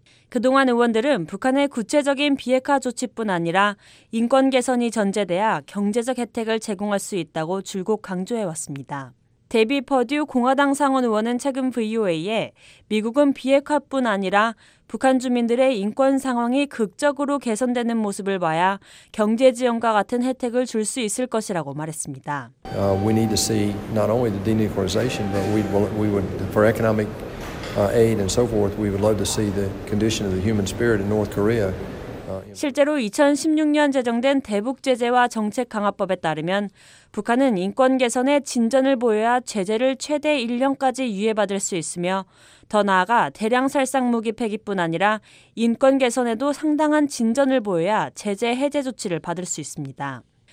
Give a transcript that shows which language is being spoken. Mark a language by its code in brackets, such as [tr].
[ko] 그동안 의원들은 북한의 구체적인 비핵화 조치뿐 아니라 인권 개선이 전제돼야 경제적 혜택을 제공할 수 있다고 줄곧 강조해왔습니다. 데비 퍼듀 공화당 상원 의원은 최근 VOA에 미국은 비핵화뿐 아니라 북한 주민들의 인권 상황이 극적으로 개선되는 모습을 봐야 경제 지원과 같은 혜택을 줄 수 있을 것이라고 말했습니다. [en] We need to see not only the denuclearization, but we would for economic aid and so forth. We would love to see the condition of the human spirit in North Korea. [ko] 실제로 2016년 제정된 대북 제재와 정책 강화법에 따르면 북한은 인권 개선에 진전을 보여야 제재를 최대 1년까지 유예받을 수 있으며 더 나아가 대량 살상 무기 폐기뿐 아니라 인권 개선에도 상당한 진전을 보여야 제재 해제 조치를 받을 수 있습니다.